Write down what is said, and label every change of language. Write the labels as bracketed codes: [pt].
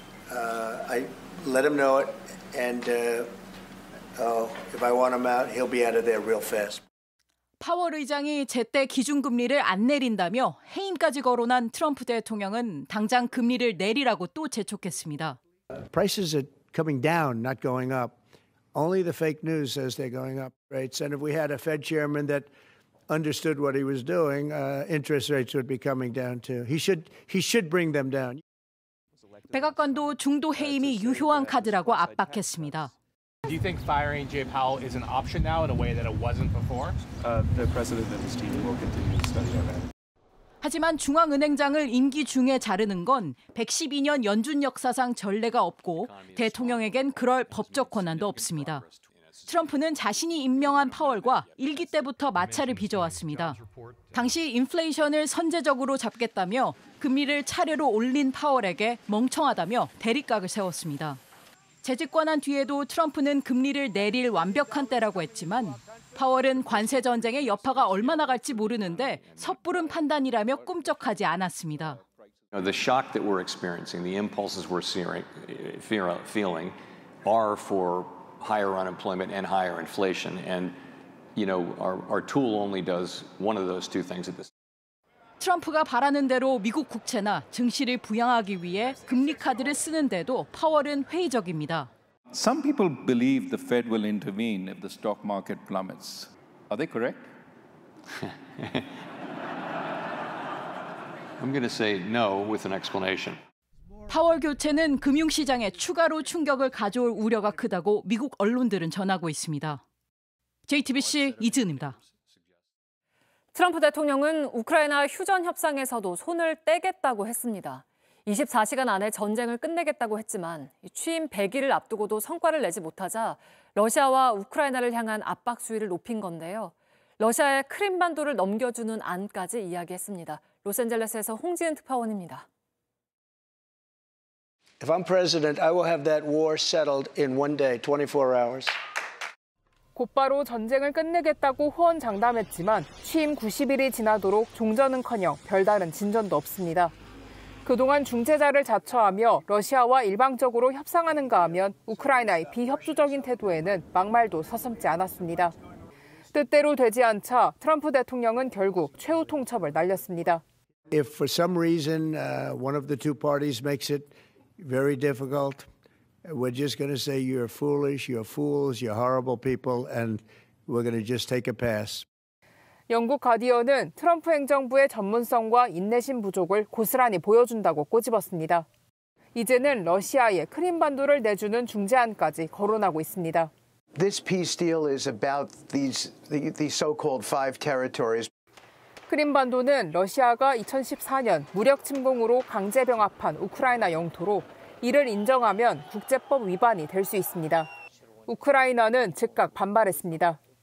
[en] I let him know it and if I want him out, he'll be out of there real fast. [ko] 파월 의장이 제때 기준금리를 안 내린다며 해임까지 거론한 트럼프 대통령은 당장 금리를 내리라고 또 재촉했습니다. [en] Prices are coming down, not going up. Only the fake news says they're going up. Rates. And if we had a Fed chairman that understood what he was doing, interest rates would be coming down too. He should bring them down. [ko] 백악관도 중도 해임이 유효한 카드라고 압박했습니다. [en] Do you think firing Jay Powell is an option now in a way that it wasn't before? The president and his team will continue to study that. [ko] 하지만 중앙은행장을 임기 중에 자르는 건 112년 연준 역사상 전례가 없고 대통령에겐 그럴 법적 권한도 없습니다. 트럼프는 자신이 임명한 파월과 일기 때부터 마찰을 빚어왔습니다. 당시 인플레이션을 선제적으로 잡겠다며 금리를 차례로 올린 파월에게 멍청하다며 대립각을 세웠습니다. 재직권한 뒤에도 트럼프는 금리를 내릴 완벽한 때라고 했지만 파월은 관세 전쟁의 여파가 얼마나 갈지 모르는데 섣부른 판단이라며 꿈쩍하지 않았습니다. [en] The shock that we're experiencing, the impulses we're feeling are for higher unemployment and higher inflation. And you know, our tool only does one of those two things at this. [ko] 트럼프가 바라는 대로 미국 국채나 증시를 부양하기 위해 금리 카드를 쓰는데도 파월은 회의적입니다. [en] Some people believe the Fed will intervene if the stock market plummets. Are they correct? I'm going to say no with an explanation. [ko] 파월 교체는 금융시장에 추가로 충격을 가져올 우려가 크다고 미국 언론들은 전하고 있습니다. JTBC 이지은입니다. 트럼프 대통령은 우크라이나 휴전 협상에서도 손을 떼겠다고 했습니다. 24시간 안에 전쟁을 끝내겠다고 했지만 취임 100일을 앞두고도 성과를 내지 못하자 러시아와 우크라이나를 향한 압박 수위를 높인 건데요. 러시아의 크림반도를 넘겨주는 안까지 이야기했습니다. 로스앤젤레스에서 홍지은 특파원입니다. [en] If I'm president, I will have that war settled in one day, 24 hours. [ko] 곧바로 전쟁을 끝내겠다고 후언장담했지만 취임 90일이 지나도록 종전은커녕 별다른 진전도 없습니다. 그동안 중재자를 자처하며 러시아와 일방적으로 협상하는가 하면 우크라이나의 비협조적인 태도에는 막말도 서슴지 않았습니다. 뜻대로 되지 않자 트럼프 대통령은 결국 최후 통첩을 날렸습니다. [en] If for some reason one of the two parties makes it very difficult, we're just going to say you're foolish, you're fools, you're horrible people, and we're going to just take a pass. [ko] 영국 가디언은 트럼프 행정부의 전문성과 인내심 부족을 고스란히 보여준다고 꼬집었습니다. 이제는 러시아의 크림반도를 내주는 중재안까지 거론하고 있습니다. [en] This peace deal is about these so-called five territories. [ko] 크림반도는 러시아가 2014년 무력 침공으로 강제 병합한 우크라이나 영토로 이를 인정하면 국제법 위반이 될 수 있습니다. 우크라이나는 즉각 반발했습니다.